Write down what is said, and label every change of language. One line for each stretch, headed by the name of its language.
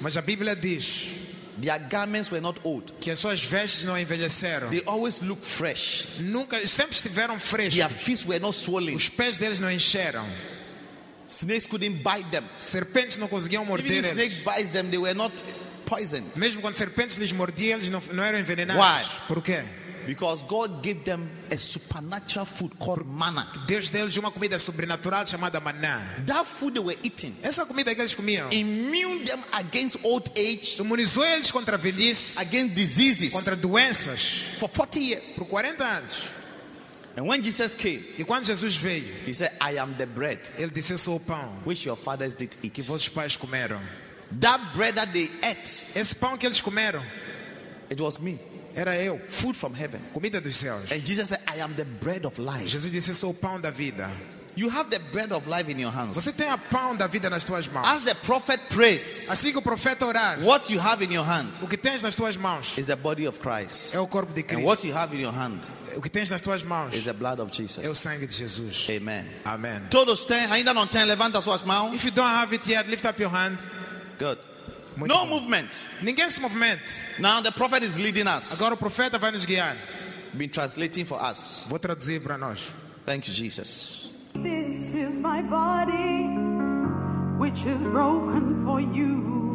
Portuguese: mas a Bíblia diz,
English: their garments were not old.
Portuguese: Que as suas vestes não envelheceram.
English: They always looked fresh.
Portuguese: Nunca, sempre estiveram frescos.
English: Their feet were not swollen.
Portuguese: Os pés deles não encheram.
English: Snakes couldn't bite them.
Portuguese: Serpentes não conseguiam morder eles.
English: Even if snake bites them, they were not poisoned.
Portuguese: Mesmo quando serpentes lhes mordiam, eles não eram envenenados.
English: Why?
Portuguese: Por quê?
English: Because God gave them a supernatural food called manna.
Portuguese: Deus deu-lhes uma comida sobrenatural chamada maná.
English: That food they were eating,
Portuguese: essa comida que eles comiam,
English: immune them against old age,
Portuguese: imunizou eles contra velhice,
English: against diseases,
Portuguese: contra doenças,
English: for 40 years,
Portuguese: por 40 anos.
English: And when Jesus came,
Portuguese: e quando Jesus veio,
English: he said, "I am the bread."
Portuguese: Ele disse, "Sou o pão."
English: Which your fathers did eat.
Portuguese: Que vossos pais comeram.
English: That bread that they ate,
Portuguese: esse pão que eles comeram,
English: it was me.
Portuguese: Era eu,
English: food from heaven,
Portuguese: comida dos céus.
English: And Jesus said, "I am the bread of life."
Portuguese: Jesus disse, "Sou o pão da vida."
English: You have the bread of life in your hands.
Portuguese: Você tem a pão da vida nas tuas mãos.
English: As the prophet prays,
Portuguese: assim que o profeta orar,
English: what you have in your hand,
Portuguese: o que tens nas tuas mãos,
English: is the body of Christ.
Portuguese: É o corpo de Cristo.
English: And what you have in your hand,
Portuguese: O que tens nas tuas mãos
English: is the blood of Jesus.
Portuguese: É o sangue de Jesus.
English: Amen.
Portuguese: Amen. Todos têm, ainda não têm, levanta suas mãos.
English: If you don't have it yet, lift up your hand. Good. Muito no bom. Movement.
Portuguese: Ninguém se movement.
English: Now the prophet is leading us.
Portuguese: Agora o profeta vai nos guiar.
English: Been translating for us.
Portuguese: Vou traduzir para nós.
English: Thank you, Jesus. This is my body, which is broken for you.